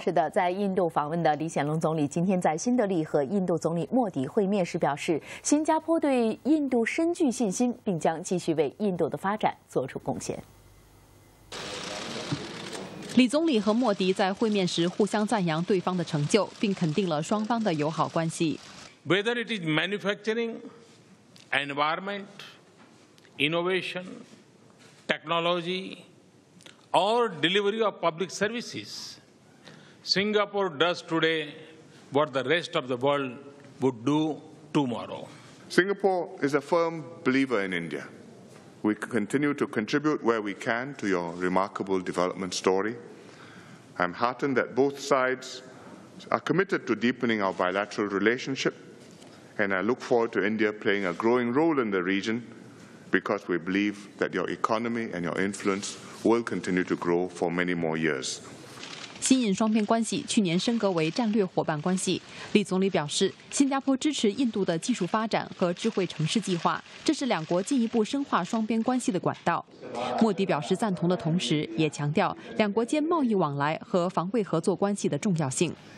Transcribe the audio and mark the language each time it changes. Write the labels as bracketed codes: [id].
[zh] 是的，在印度访问的李显龙总理今天在新德里和印度总理莫迪会面时表示，新加坡对印度深具信心，并将继续为印度的发展做出贡献。李总理和莫迪在会面时互相赞扬对方的成就，并肯定了双方的友好关系。 [en] Whether it is manufacturing, environment, innovation, technology, or delivery of public services, Singapore does today what the rest of the world would do tomorrow. Singapore is a firm believer in India. We continue to contribute where we can to your remarkable development story. I'm heartened that both sides are committed to deepening our bilateral relationship. And I look forward to India playing a growing role in the region because we believe that your economy and your influence will continue to grow for many more years. [zh] 新印双边关系去年升格为战略伙伴关系。李总理表示，新加坡支持印度的技术发展和智慧城市计划，这是两国进一步深化双边关系的管道。莫迪表示赞同的同时，也强调两国间贸易往来和防卫合作关系的重要性。